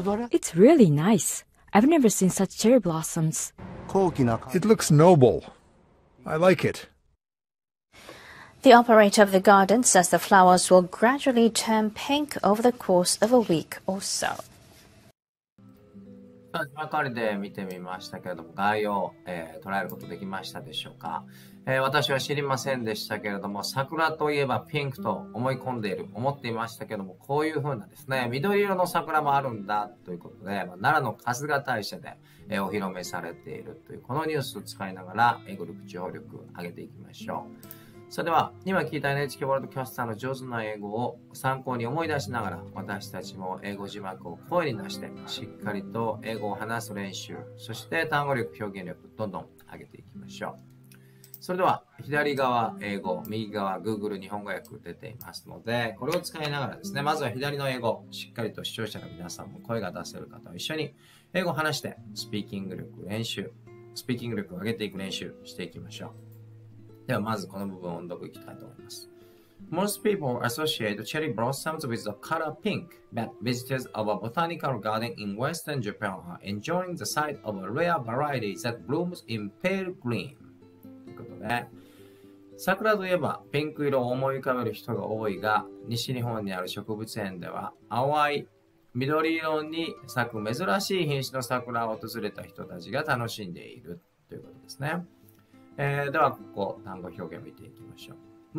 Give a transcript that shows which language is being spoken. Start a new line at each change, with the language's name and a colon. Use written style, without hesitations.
English: It's really nice. I've never seen such cherry blossoms. It looks noble. I like it. The operator of the garden says the flowers will gradually turn pink over the course of a week or so.
Japanese: まかりで見てみましたけれども、概要を、捉えることできましたでしょうか。私は知りませんでしたけれども、桜といえばピンクと思い込んでいる、思っていましたけれども、こういう風なですね、緑色の桜もあるんだということで、奈良の春日大社で、お披露目されているというこのニュースを使いながら英語力情報力上げていきましょう。それでは今聞いた NHK ワールドキャスターの上手な英語を参考に思い出しながら、私たちも英語字幕を声に出してしっかりと英語を話す練習、そして単語力表現力どんどん上げていきましょう。それでは左側英語、右側 Google 日本語訳出ていますので、これを使いながらですね、まずは左の英語、しっかりと視聴者の皆さんも声が出せる方と一緒に英語を話してスピーキング力練習、スピーキング力を上げていく練習していきましょう。ではまずこの部分を音読いきたいと思います。
English: Most people associate cherry blossoms with the color pink, but visitors of a botanical garden in western Japan are enjoying the sight of a rare variety that blooms in pale green.
Japanese: 桜といえばピンク色を思い浮かべる人が多いが、西日本にある植物園では淡い緑色に咲く珍しい品種の桜を訪れた人たちが楽しんでいるということですね。ではここ単語表現を見ていきましょう。